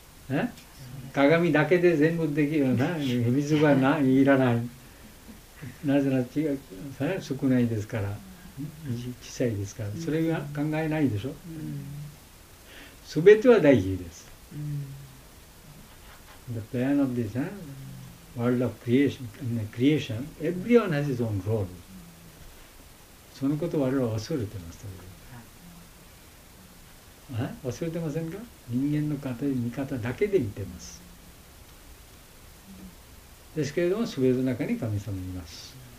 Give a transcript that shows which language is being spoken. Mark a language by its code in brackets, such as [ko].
[ja] ょ、ね、鏡だけで全部できるな、水はないらない、なぜなら違う、少ないですから、小さいですから、それは考えないでしょ、すべては大事です。 [en] The plan of this、world of creation, everyone has his own role. [ja] そのことを我々は忘れてます。忘れてませんか？人間の見方だけで見てます。ですけれども、すべての中に神様います。